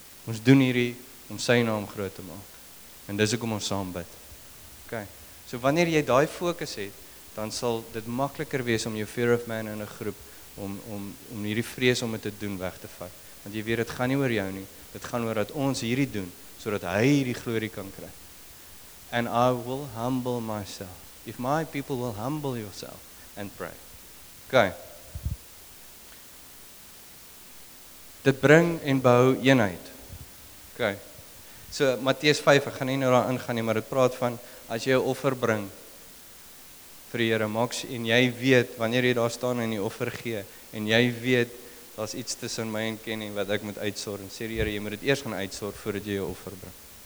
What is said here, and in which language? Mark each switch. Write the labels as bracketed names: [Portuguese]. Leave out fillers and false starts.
[Afrikaans] Ons doen hierdie om sy naam groot te maak. En dis hoekom ons saam bid. OK. So wanneer jy daai fokus het, dan sal dit makliker wees om jou [English] fear of man [Afrikaans] in 'n groep om hierdie vrees om dit te doen weg te vat. Want jy weet dit gaan nie oor jou nie. Dit gaan oor dat ons hierdie doen sodat hy hierdie glorie kan kry. [English] And I will humble myself. If my people will humble yourself and pray. OK. [Afrikaans] Dit bring en bou eenheid. OK. So Matteus 5, ek gaan nie nou daar ingaan nie, maar dit praat van as jy 'n offer bring vir die Here, maak en jy weet wanneer jy daar staan en die offer gee en jy weet daar's iets tussen my en Kenny wat ek moet uitsort en sê die Here, jy moet dit eers gaan uitsort voordat jy jou offer bring.